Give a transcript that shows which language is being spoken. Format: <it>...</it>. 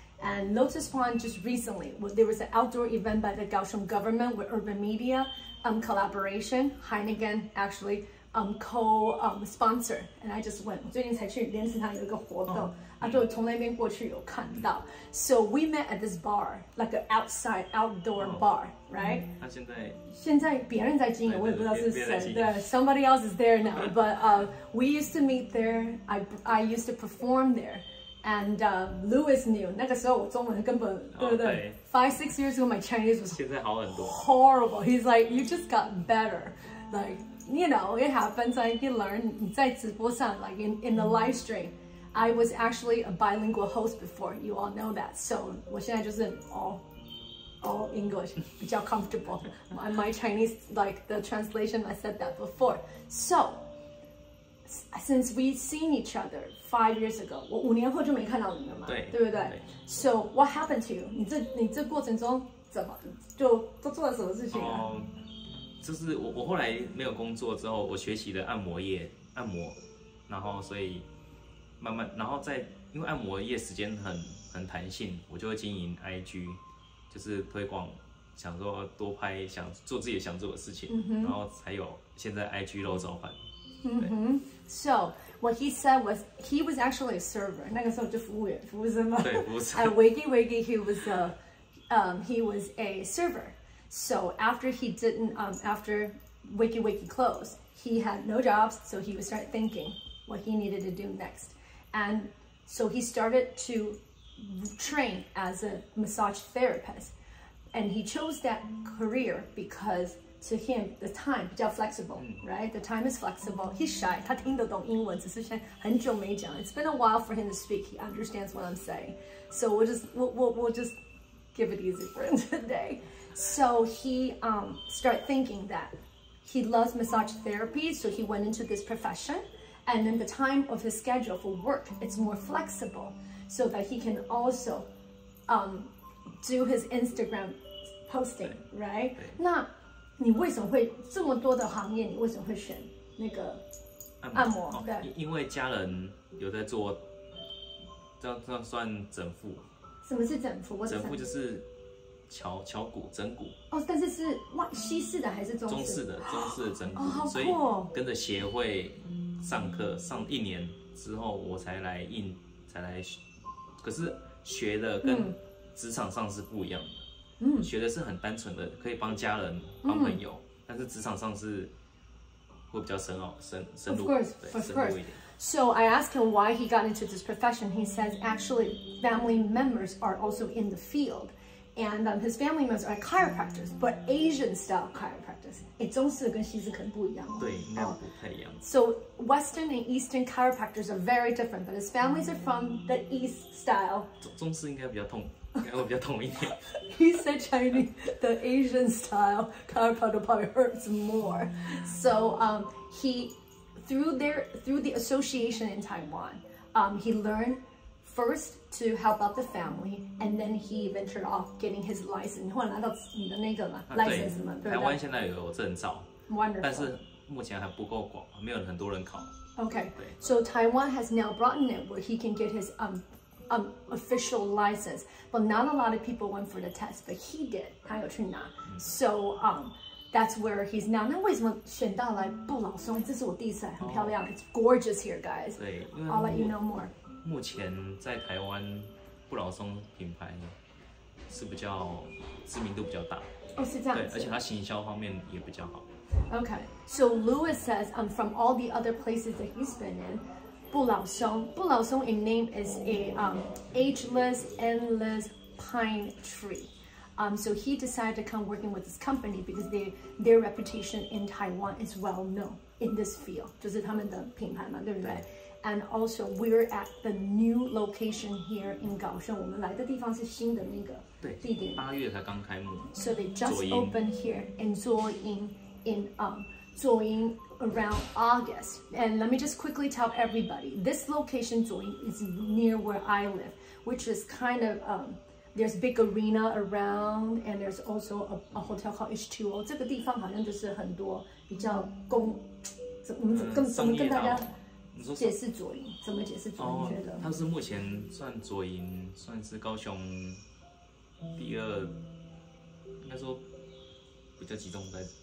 <en>And Lotus Pond just recently, there was an outdoor event by the Kaohsiung government with Urban Media. Collaboration, Heineken actually co-sponsor, and I just went.</en> <zh>最近才去莲池塘有一个活动，啊，就从那边过去有看到。</zh> <en>So we met at this bar, like an outdoor bar, right?</en> <zh>现在别人在经营，我也不知道是谁。对</zh> <en>，somebody else is there now. But we used to meet there. I used to perform there, and Louis knew.</en> <zh>那个时候我中文根本对不对？</zh> <en>5-6 years ago, my Chinese was horrible. He's like, you just got better. Like, you know, it happens. Like, you learn.</en> <zh>你在直播上</zh> <en>like in the live stream, I was actually a bilingual host before. You all know that. So,</en> <zh>我现在就是</zh> <en>all English,</en> <zh>比较</zh> <en>comfortable. My Chinese, like the translation, I said that before. So, since we've seen each other 5 years ago,</en> <zh>我五年后就没看到你了嘛，对不对？</zh> <en>So what happened to you?</en> <zh>你这过程中怎么就都做了什么事情、啊？就是我后来没有工作之后，我学习了按摩业按摩，然后所以慢慢，然后在因为按摩业时间很弹性，我就会经营 IG， 就是推广，想说多拍想做自己想做的事情，嗯、然后才有现在 IG 肉燥饭。</zh> <en>嗯哼。So What he said was he was actually a server.</en> <zh>那个时候就服务员，服务生嘛。对，服务生。</zh> <en>And Wiggy, he was a server. So after he didn't, after Wiggy closed, he had no jobs. So he would start thinking what he needed to do next. And so he started to train as a massage therapist. And he chose that career because. To him, the time</en> <zh>比较</zh> <en>flexible, right? The time is flexible. He's shy.</en> <zh>他听得懂英文，只是现在很久没讲。</zh> <en>It's been a while for him to speak. He understands what I'm saying. So we'll just give it easy for him today. So he started thinking that he loves massage therapy. So he went into this profession. And then the time of his schedule for work, it's more flexible so that he can also do his Instagram posting, right?</en> <zh>那你为什么会这么多的行业？你为什么会选那个按摩？哦、因为家人有在做，这算整复。什么是整复？整复就是敲骨、整骨。哦，但是是外西式的还是中式？中式的，中式的整骨。哦，好酷哦！所以跟着协会上课，上一年之后，我才来学。可是学的跟职场上是不一样的。嗯学的是很单纯的，可以帮家人、帮朋友，但是职场上是会比较深奥、深入。</zh> <en>Of course,</en> <zh>对</zh> <en>of course.</en> <zh>深入一点。</zh> <en>So I asked him why he got into this profession. He says actually family members are also in the field, and his family members are chiropractors, but Asian style chiropractors.</en> <zh>哎，中式跟西式可能不一样。对，应该不太一样。</zh> <en>So Western and Eastern chiropractors are very different, but his families are from the East style.</en> <zh>中式应该比较痛。应该会比较痛一点。</zh> <en>He said Chinese, the Asian style chiropractor probably hurts more. So he through the association in Taiwan, he learned first to help out the family, and then he ventured off getting his license.</en> <zh>后来拿到你的那个嘛 ，license 嘛，对不对？台湾现在有证照</zh> <en>，Wonderful，</en> <zh>但是目前还不够广，没有很多人考。</zh> <en>Okay, so Taiwan has now brought in it where he can get his official license, but not a lot of people went for the test, but he did.</en> <zh>他有去拿</zh> <en>So that's where he's now.</en> <zh>那为什么选到来不老松？这是我第一次来，很漂亮。</zh> <en>It's gorgeous here, guys.</en> <zh>对</zh> <en>I'll let you know more.</en> <zh>目前在台湾不老松品牌是比较知名度比较大。哦，是这样子。对，而且他行销方面也比较好。</zh> <en>Okay. So Louis says, from all the other places that he's been in. 不老松 a name is a ageless, endless pine tree. So he decided to come working with this company because their reputation in Taiwan is well known in this field.</en> <zh>就是他们的品牌嘛，对不对？</zh> <en>And also we're at the new location here in 高雄。</en> <zh>我们来的地方是新的那个地点。对，八月才刚开幕。</zh> <en>So they just opened here in 左营 in 左营。 Around August, and let me just quickly tell everybody, this location Zuoying is near where I live, which is kind of there's big arena around, and there's also a hotel called H2O.</en> <zh>这个地方好像就是很多比较公，怎么跟大家解释左营？怎么解释左营？觉得它是目前算左营，算是高雄第二，应该说比较集中在。</zh>